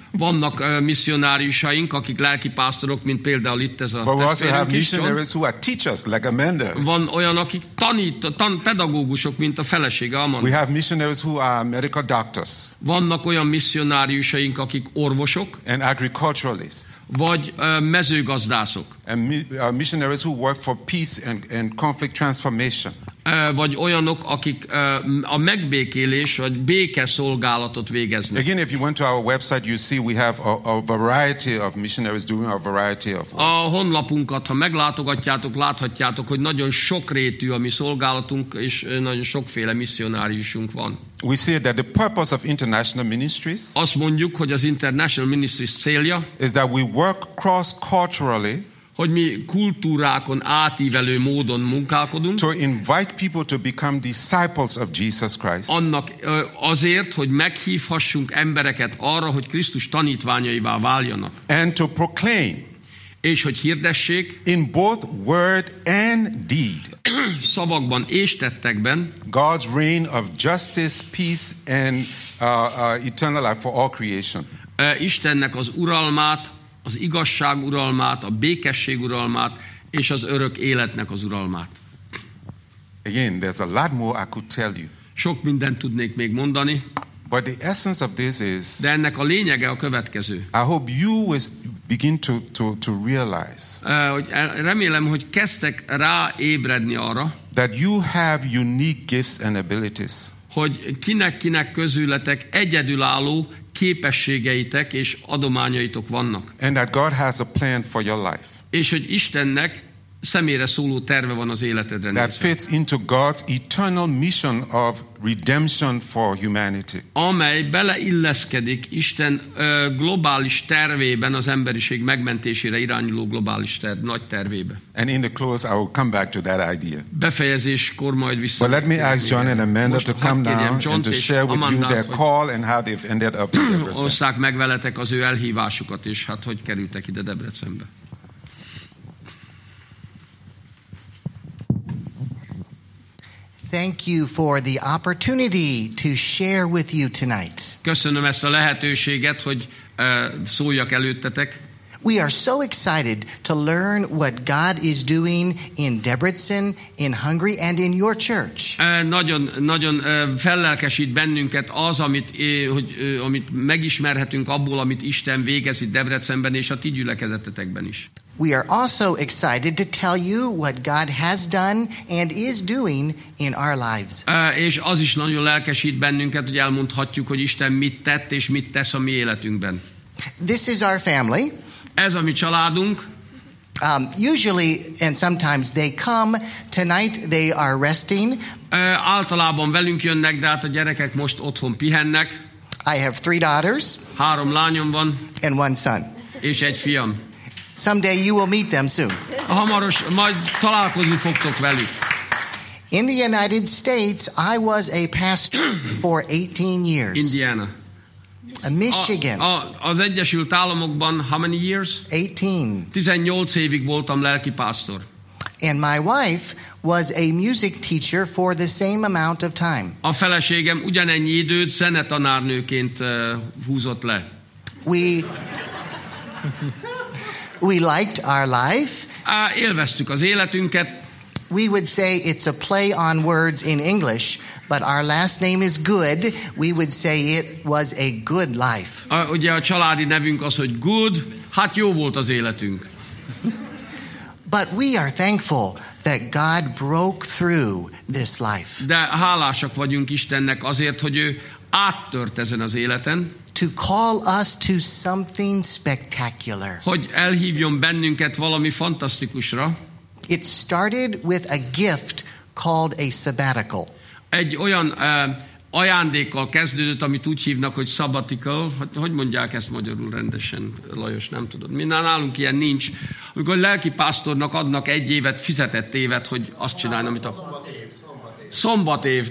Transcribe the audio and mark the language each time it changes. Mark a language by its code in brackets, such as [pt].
[hu] Vannak missionáriusaink, akik lelki pásztorok, mint például itt ez a testvérünk. [en] But we also have missionaries who are teachers, like Amanda. [hu] Van olyan, akik pedagógusok, mint a felesége, Amanda. [en] We have missionaries who are medical doctors. [hu] Vannak olyan missionáriusaink, akik orvosok. [en] And agriculturalists. [hu] Vagy mezőgazdászok. [en] And missionaries who work for peace and conflict transformation. [hu] Vagy olyanok, akik a megbékélés vagy béke szolgálatot végeznek. [en] Again, if you went to our website, you see we have a variety of missionaries doing a variety of work. [hu] A honlapunkat, ha meglátogatjátok, láthatjátok, hogy nagyon sokrétű a mi szolgálatunk, és nagyon sokféle missionáriusunk van. [en] We say that the purpose of international ministries, [hu] azt mondjuk, hogy az international ministries célja, [en] is that we work cross-culturally, [hu] hogy mi kultúrákon átívelő módon munkálkodunk. [en] To invite people to become disciples of Jesus Christ. [hu] Annak azért, hogy meghívhassunk embereket arra, hogy Krisztus tanítványaivá váljanak. [en] And to proclaim. [hu] És hogy hirdessék. [en] In both word and deed. [hu] Szavakban és tettekben. [en] God's reign of justice, peace and eternal life for all creation. [hu] Istennek az uralmát, az igazság uralmát, a békesség uralmát és az örök életnek az uralmát. [en] Again, there's a lot more I could tell you. [hu] Sok mindent tudnék még mondani. [en] But the essence of this is, [hu] de ennek a lényege a következő. [en] I hope you will begin to realize. [hu] Hogy remélem, hogy kezdtek rá ébredni arra, [en] that you have unique gifts and abilities. [hu] Hogy kinek közületek egyedülálló képességeitek és adományaitok vannak. [en] And that God has a plan for your life. [hu] és hogy Istennek személyre szóló terve van az életedre nézve. [en] That fits into God's eternal mission of redemption for humanity. [hu] Amely beleilleszkedik Isten globális tervében, az emberiség megmentésére irányuló globális terv, nagy tervébe. [en] And in the close I will come back to that idea. [hu] Befejezéskor majd vissza. [en] But let me ask John and Amanda to come now and to share with you their call and how they've ended up in Debrecen. [hu] Osszák meg veletek az ő elhívásukat, és hát hogy kerültek ide Debrecenbe. [en] Thank you for the opportunity to share with you tonight. [hu] Köszönöm ezt a lehetőséget, hogy szóljak előttetek. [en] We are so excited to learn what God is doing in Debrecen, in Hungary, and in your church. [hu] Nagyon fellelkesít bennünket az, amit megismerhetünk abból, amit Isten végez itt Debrecenben és a ti gyülekezetetekben is. [en] We are also excited to tell you what God has done and is doing in our lives. [hu] És az is nagyon lelkesít bennünket, hogy elmondhatjuk, hogy Isten mit tett és mit tesz a mi életünkben. [en] This is our family. [hu] Ez a mi családunk. [en] Usually and sometimes they come. Tonight they are resting. [hu] Általában velünk jönnek, de hát a gyerekek most otthon pihennek. [en] I have three daughters. [hu] Három lányom van. [en] And one son. [hu] És egy fiam. [en] Someday you will meet them soon. [hu] Hamaros, majd találkozni fogtok velük. [en] In the United States, I was a pastor for 18 years. Indiana. Michigan. [hu] Az Egyesült Államokban [en] how many years? 18. [hu] 18 évig voltam lelki pásztor. [en] And my wife was a music teacher for the same amount of time. [hu] A feleségem ugyanennyi időt zenetanárnőként húzott le. [en] We liked our life. [hu] Élveztük az életünket. [en] We would say it's a play on words in English, but our last name is Good. We would say it was a good life. [hu] Ugye a családi nevünk az, hogy Good. Hát jó volt az életünk. [en] But we are thankful that God broke through this life. [hu] De hálásak vagyunk Istennek azért, hogy ő áttört ezen az életen. [en] To call us to something spectacular. [hu] Hogy elhívjon bennünket valami fantasztikusra. [en] It started with a gift called a sabbatical. [hu] Egy olyan ajándékkal kezdődött, amit úgy hívnak, hogy sabbatical. Hogy mondják ezt magyarul rendesen, Lajos, nem tudod. Mi nálunk ilyen nincs. Amikor a lelki pásztornak adnak egy évet, fizetett évet, hogy azt csinálj, amit a... Szombat év.